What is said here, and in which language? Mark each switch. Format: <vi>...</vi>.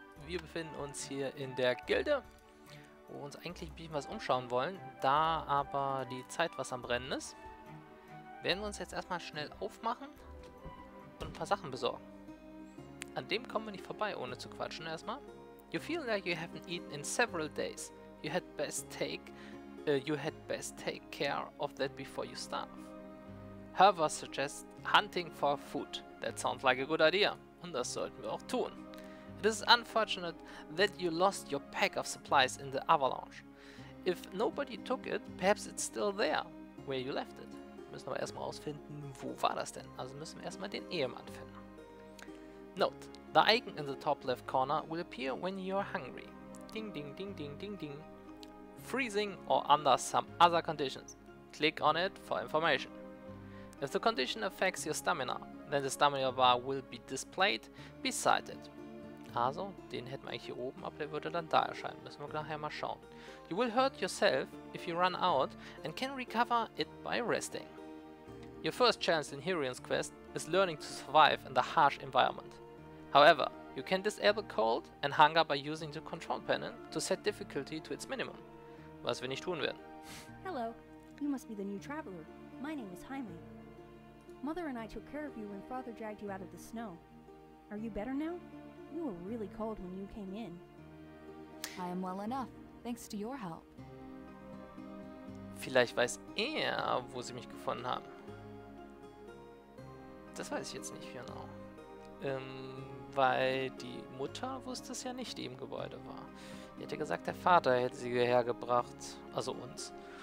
<de>Wir befinden uns hier in der Gilde, wo wir uns eigentlich ein bisschen was umschauen wollen. Da aber die Zeit was am Brennen ist, werden wir uns jetzt erstmal schnell aufmachen und ein paar Sachen besorgen. An dem kommen wir nicht vorbei, ohne zu quatschen erstmal.</de> <en>You feel like you haven't eaten in several days. You had best take care of that before you starve. However, suggest hunting for food. That sounds like a good idea.</en> <de>Und das sollten wir auch tun.</de> <en>It is unfortunate that you lost your pack of supplies in the avalanche. If nobody took it, perhaps it's still there, where you left it.</en> <de>Müssen wir erstmal ausfinden, wo war das denn? Also müssen wir erstmal den Ehemann finden.</de> <en>Note, the icon in the top left corner will appear when you're hungry. Ding, ding, ding, ding, ding, ding. Freezing or under some other conditions. Click on it for information. If the condition affects your stamina, then the stamina bar will be displayed beside it.</en> <de>Also, den hätten wir eigentlich hier oben, aber der würde dann da erscheinen. Müssen wir nachher mal schauen.</de> <en>You will hurt yourself if you run out and can recover it by resting. Your first challenge in Heroine's Quest is learning to survive in the harsh environment. However, you can disable cold and hunger by using the control panel to set difficulty to its minimum.</en> <de>Was wir nicht tun werden.</de> <en>Hello, you must be the new traveler. My name is Jaime. Mother and I took care of you when Father dragged you out of the snow. Are you better now? You were really cold when you came in. I am well enough, thanks to your help.</en> <de>Vielleicht weiß er, wo sie mich gefunden haben. Das weiß ich jetzt nicht genau. Weil die Mutter wusste es ja nicht, die im Gebäude war. Die hätte gesagt, der Vater hätte sie hierher gebracht. Also uns.</de>